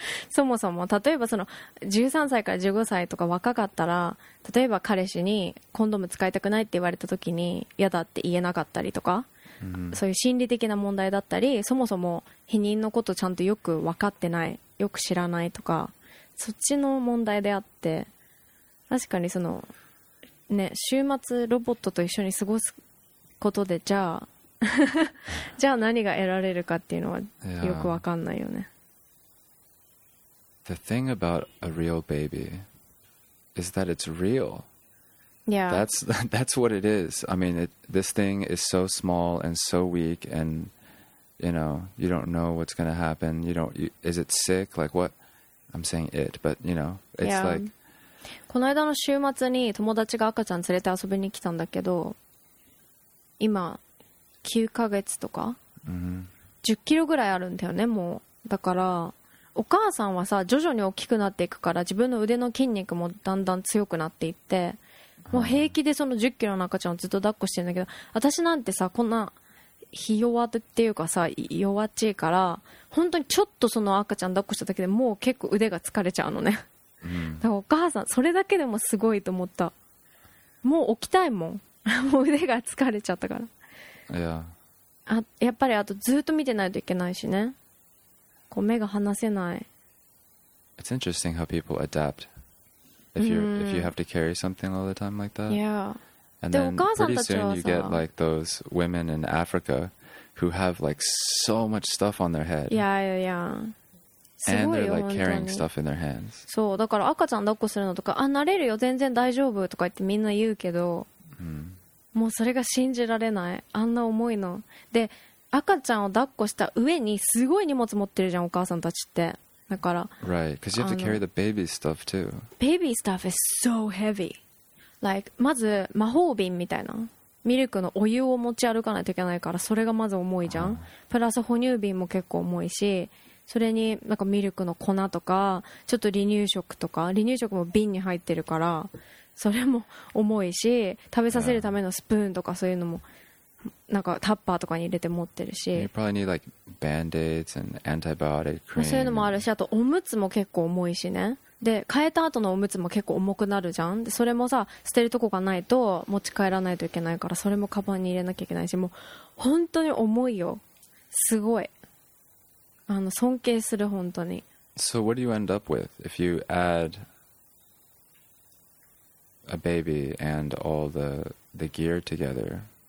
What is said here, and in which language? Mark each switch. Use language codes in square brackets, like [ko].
[ja] そもそも例えばその13歳から15歳とか若かったら、例えば彼氏にコンドーム使いたくないって言われた時に嫌だって言えなかったりとか、そういう心理的な問題だったり、そもそも避妊のことちゃんとよく分かってない、よく知らないとか、そっちの問題であって、確かにそのね、週末ロボットと一緒に過ごすことで、じゃあじゃあ何が得られるかっていうのはよくわかんないよね。 [en] The thing about a real baby is that it's real. Yeah. That's what it is. I mean, this thing is so small and so weak, and you know, you don't know what's going to happen. Is it sick? Like whatI'm saying it, but you know, it's yeah. like. [ja] この間の週末に友達が赤ちゃん連れて遊びに来たんだけど、今9ヶ月とか、10キロぐらいあるんだよね、もう。だからお母さんはさ、徐々に大きくなっていくから、自分の腕の筋肉もだんだん強くなっていって、もう平気でその10キロの赤ちゃんをずっと抱っこしてるんだけど、私なんてさ、こんな。ひ弱っていうかさ、弱っちいから、本当にちょっとその赤ちゃん抱っこしただけでもう結構腕が疲れちゃうのね、だからお母さんそれだけでもすごいと思った。もう起きたいもん、もう腕が疲れちゃったから。いや、やっぱりあとずっと見てないといけないしね、こう目が離せない。 [en] It's interesting how people adapt if you have to carry something all the time like that. Yeah. And then pretty soon you get like those women in Africa who have like so much stuff on their head. Yeah, yeah, yeah. And they're like carrying stuff in their hands. [ja] そう、だから赤ちゃん抱っこするのとか、あ、慣れるよ、全然大丈夫とか言ってみんな言うけど、もうそれが信じられない。あんな重いの。で、赤ちゃんを抱っこした上にすごい荷物持ってるじゃん、お母さんたちって。だから。 [en] Right, because you have to carry the baby stuff too. Baby stuff is so heavy. [ja] Like, まず魔法瓶みたいな、ミルクのお湯を持ち歩かないといけないから、それがまず重いじゃん。プラス哺乳瓶も結構重いし、それになんかミルクの粉とか、ちょっと離乳食とか、離乳食も瓶に入ってるからそれも重いし、食べさせるためのスプーンとかそういうのもなんかタッパーとかに入れて持ってるし、 [en] You probably need like Band-Aids and antibiotic cream. [ja] そういうのもあるし、あとおむつも結構重いしね。で、変えた後のおむつも結構重くなるじゃん。で、それもさ、捨てるとこがないと持ち帰らないといけないから、それもカバンに入れなきゃいけないし、もう本当に重いよ。すごい。あの、尊敬する、本当に。 [en] So what do you end up with if you add a baby and all the gear together?